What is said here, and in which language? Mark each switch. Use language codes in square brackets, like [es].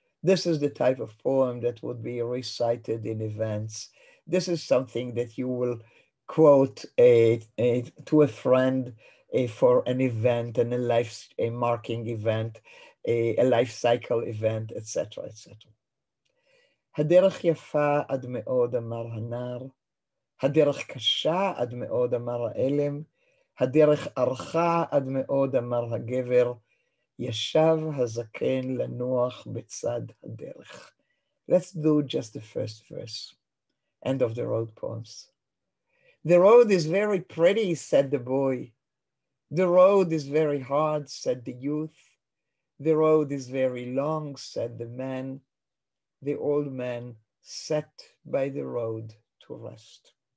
[en] This is the type of poem that would be recited in events. This is something that you will quote to a friend for an event and a marking event, a life cycle event, etc., etc. [he] Haderech yafa ad me'od amar hanar. הדרך קשה עד מאוד אמר האלם, הדרך ארכה עד מאוד אמר הגבר, ישב הזקן לנוח בצד הדרך. [en] Let's do just the first verse, End of the Road Poems. The road is very pretty, said the boy. The road is very hard, said the youth. The road is very long, said the man. The old man sat by the road to rest.